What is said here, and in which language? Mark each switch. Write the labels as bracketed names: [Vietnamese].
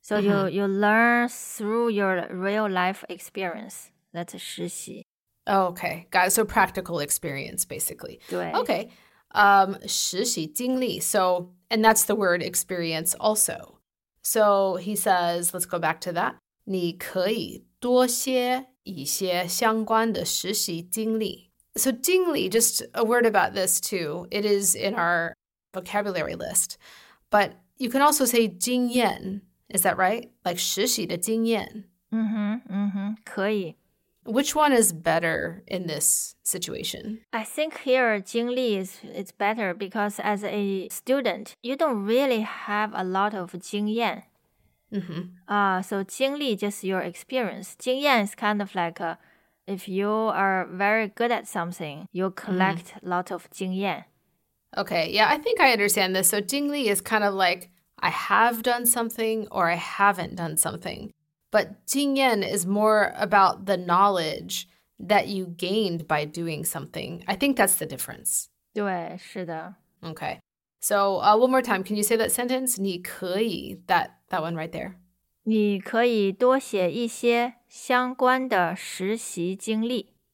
[English] So you,、mm-hmm. you learn through your real life experience. That's 实习。 Okay, got it. So practical experience, basically. [Chinese] 对。 [English] Okay, 实习经历。So, and that's the word experience also. So he says, let's go back to that. [Chinese] 你可以多写一些相关的实习经历。 [English] So 经历, just a word about this too. It is in our... vocabulary list. But you can also say 经验, is that right? Like [Chinese] 实习的经验。 Mm-hmm, mm-hmm, 可以。 [English] Which one is better in this situation? I think here 经历 is better because as a student, you don't really have a lot of 经验。 Mm-hmm. So 经历 just your experience. 经验 is kind of like if you are very good at something, you collect a lot of 经验。 Okay, yeah, I think I understand this. So 经历 is kind of like, I have done something or I haven't done something. But 经验 is more about the knowledge that you gained by doing something. I think that's the difference. [Chinese] 对,是的。 [English] Okay, so one more time, can you say that sentence? [Chinese] 你可以, [English] that one right there. [Chinese] 你可以多写一些相关的实习经历。